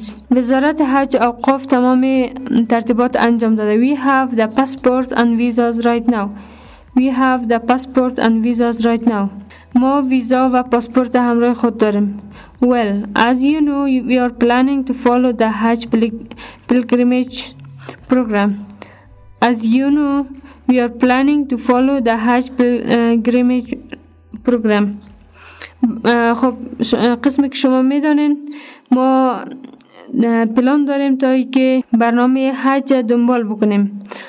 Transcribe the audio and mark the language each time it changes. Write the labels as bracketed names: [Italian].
[Persian] وزارت حج اوقاف تمام ترتیبات انجام داده. [English] We have the passports and visas right now. We have the passport and visas right now. [Persian] ما ویزا و پاسپورت همراه خود داریم. [English] Well, as you know, we are planning to follow the Hajj pilgrimage program. [Persian] خب قسمی که شما می دانین ما پلان داریم تا اینکه برنامه حج دنبال بکنیم.